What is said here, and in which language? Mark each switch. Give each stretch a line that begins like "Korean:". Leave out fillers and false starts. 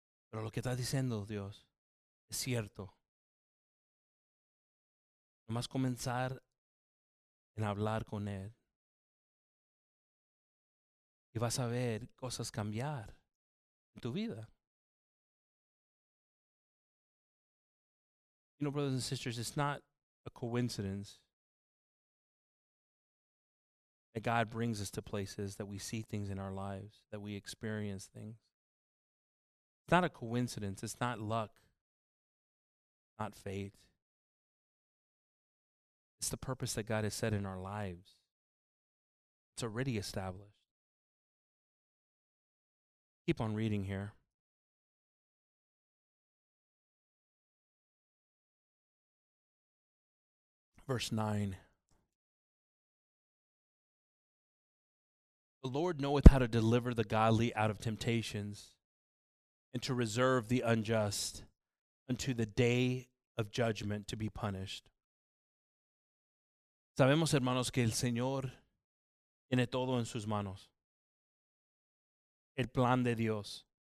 Spanish: Pero lo que está diciendo Dios. Es cierto. Nomás comenzar en hablar con Él. Y vas a ver cosas cambiar en tu vida.
English: You know, brothers and sisters, it's not a coincidence that God brings us to places that we see things in our lives, that we experience things. It's not a coincidence. It's not luck. Not fate. It's the purpose that God has set in our lives. It's already established. Keep on reading here. Verse 9. The Lord knoweth how to deliver the godly out of temptations and to reserve the unjust unto the day of judgment to be punished.
Spanish: Sabemos, hermanos, que el Señor tiene todo en sus manos. El plan de Dios.